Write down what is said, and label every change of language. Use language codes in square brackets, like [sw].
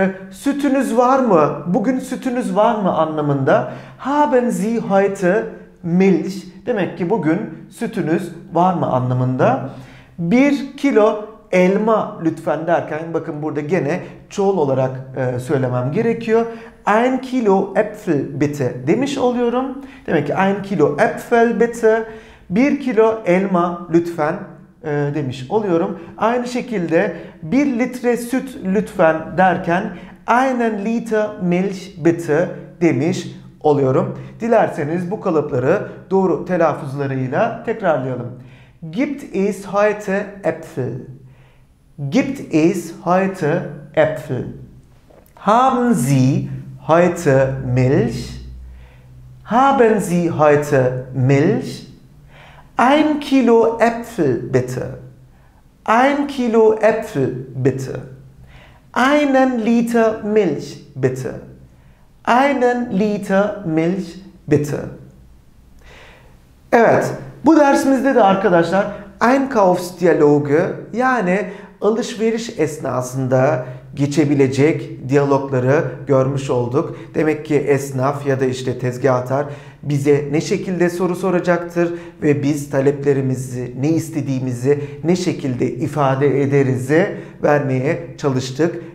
[tr] Sütünüz var mı? Bugün sütünüz var mı anlamında. [de] Haben Sie heute Milch? [tr] Demek ki bugün sütünüz var mı anlamında. 1 kilo elma lütfen derken bakın burada gene çoğul olarak söylemem gerekiyor. [de] Ein Kilo Äpfel bitte [tr] demiş oluyorum. Demek ki [de] ein Kilo Äpfel bitte. [tr] 1 kilo elma lütfen demiş oluyorum. Aynı şekilde 1 litre süt lütfen derken [de] einen Liter Milch bitte [tr] demiş oluyorum. Dilerseniz bu kalıpları doğru telaffuzlarıyla tekrarlayalım. [de] Gibt es heute Äpfel? Gibt es heute Äpfel? Haben Sie heute Milch? Haben Sie heute Milch? Ein Kilo Äpfel bitte. Ein Kilo Äpfel bitte. Einen Liter Milch bitte. Einen Liter Milch bitte. [tr] Evet. Bu dersimizde de arkadaşlar Einkaufsdialoge yani alışveriş esnasında geçebilecek diyalogları görmüş olduk. Demek ki esnaf ya da işte tezgahtar bize ne şekilde soru soracaktır ve biz taleplerimizi, ne istediğimizi ne şekilde ifade ederiz'i vermeye çalıştık.